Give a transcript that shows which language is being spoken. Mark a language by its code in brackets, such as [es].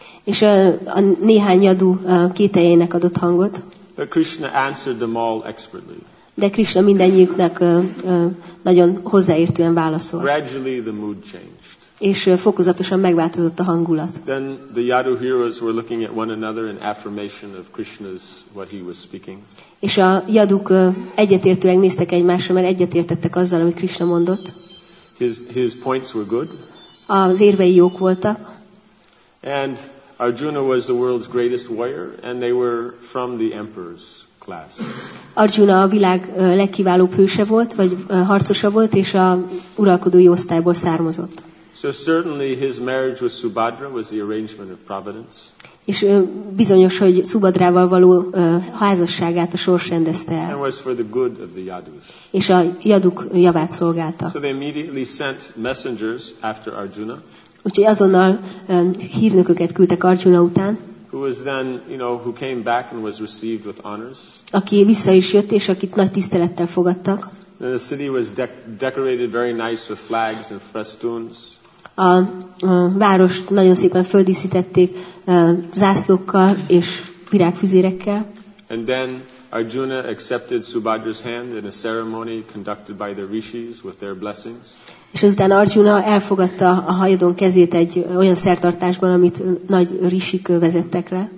[hu] És a néhány Yadu kételjének adott hangot. [en] But Krishna answered them all expertly. [hu] De Krishna mindennyiüknek nagyon hozzáértően válaszolt. [en] Gradually the mood changed. [hu] És fokozatosan megváltozott a hangulat. [en] Then the Yadu heroes were looking at one another in affirmation of Krishna's what he was speaking. [hu] És a Yaduk egyetértően néztek egymásra, mert egyetértettek azzal, amit Krishna mondott. [en] His points were good. [hu] Az érvei jók voltak. [en] And Arjuna was the world's greatest warrior, and they were from the emperor's class. [hu] Arjuna a világ legkiválóbb hőse volt, vagy harcosa volt, és a uralkodói osztályból származott. [en] So certainly his marriage with Subhadra was the arrangement of providence. [hu] És bizonyos, hogy Subhadrával való házasságát a sors rendezte el. [en] And was for the good of the Yadus. [hu] És a Yaduk javát szolgálta. [en] So they immediately sent messengers after Arjuna. [hu] Úgyhogy azonnal hírnököket küldtek Arjuna után. [en] Who was then, you know, who came back and was received with honors. [hu] Aki vissza is jött, és akit nagy tisztelettel fogadtak. [en] And the city was decorated very nice with flags and festoons. [hu] A várost nagyon szépen földíszítették zászlókkal és virágfüzérekkel. [en] And then Arjuna accepted Subhadra's hand in a ceremony conducted by the rishis with their blessings. [hu] És azután Arjuna elfogadta a hajadon kezét egy olyan szertartásban, amit nagy rishik vezettek le.